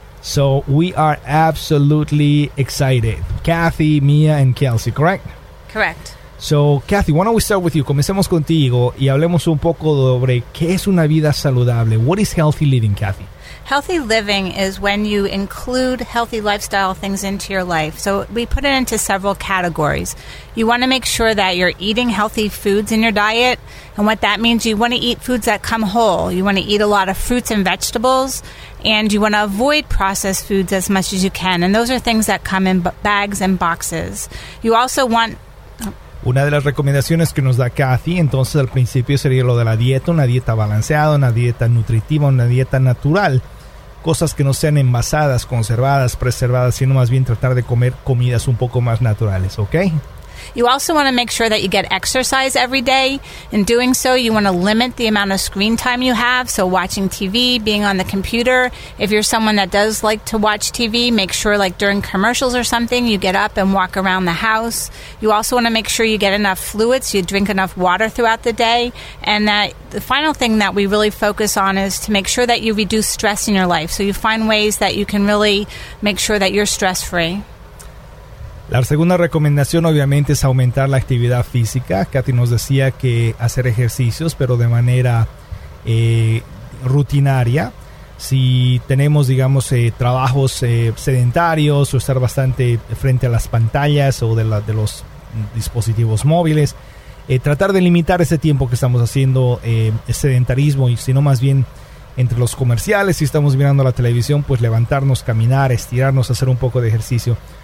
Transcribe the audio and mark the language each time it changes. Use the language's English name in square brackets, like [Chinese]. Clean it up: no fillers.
[English] So we are absolutely excited, Kathy, Mia, and Kelsey, correct? Correct. So, Kathy, why don't we start with you? [Spanish] Comencemos contigo y hablemos un poco sobre qué es una vida saludable. [English] What is healthy living, Kathy? Healthy living is when you include healthy lifestyle things into your life. So we put it into several categories. You want to make sure that you're eating healthy foods in your diet. And what that means, you want to eat foods that come whole. You want to eat a lot of fruits and vegetables. And you want to avoid processed foods as much as you can. And those are things that come in bags and boxes. You also want... [Spanish] Una de las recomendaciones que nos da Kathy, entonces al principio sería lo de la dieta, una dieta balanceada, una dieta nutritiva, una dieta natural. Cosas que no sean envasadas, conservadas, preservadas, sino más bien tratar de comer comidas un poco más naturales, ¿ok? [English] You also want to make sure that you get exercise every day. In doing so, you want to limit the amount of screen time you have, so watching TV, being on the computer. If you're someone that does like to watch TV, make sure, like during commercials or something, you get up and walk around the house. You also want to make sure you get enough fluids, you drink enough water throughout the day. And that the final thing that we really focus on is to make sure that you reduce stress in your life, so you find ways that you can really make sure that you're stress-free. [Spanish] La segunda recomendación obviamente es aumentar la actividad física. Kathy nos decía que hacer ejercicios, pero de manera rutinaria. Si tenemos, digamos, trabajos sedentarios o estar bastante frente a las pantallas o de los dispositivos móviles, tratar de limitar ese tiempo que estamos haciendo sedentarismo, y sino más bien entre los comerciales, si estamos mirando la televisión, pues levantarnos, caminar, estirarnos, hacer un poco de ejercicio.